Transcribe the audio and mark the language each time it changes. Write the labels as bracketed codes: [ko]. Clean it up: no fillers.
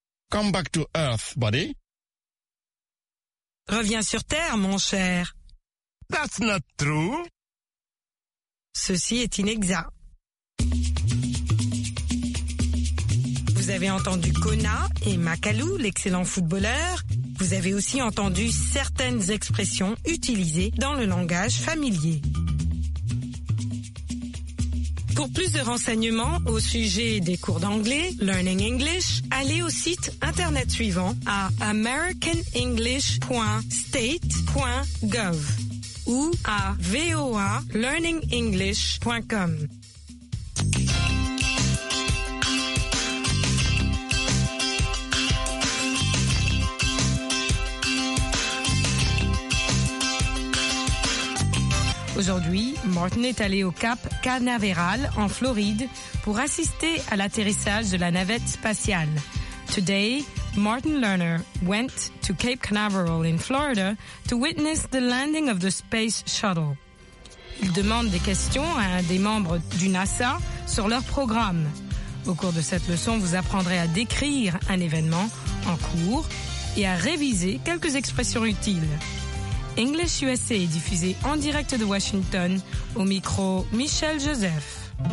[en] Come back to earth, buddy. [fr] Reviens sur terre, mon cher. [en] That's not true. [fr] Ceci est inexact. Vous avez entendu Kona et Makalu, l'excellent footballeur. Vous avez aussi entendu certaines expressions utilisées dans le langage familier. Pour plus de renseignements au sujet des cours d'anglais, Learning English, allez au site internet suivant à americanenglish.state.gov. ou à voalearningenglish.com. Aujourd'hui, Martin est allé au Cap Canaveral en Floride pour assister à l'atterrissage de la navette spatiale. [en] Today, Martin Lerner went to Cape Canaveral in Florida to witness the landing of the space shuttle. [fr] Il demande des questions à un des membres du NASA sur leur programme. Au cours de cette leçon, vous apprendrez à décrire un événement en cours et à réviser quelques expressions utiles. English USA est diffusé en direct de Washington au micro Michel Joseph.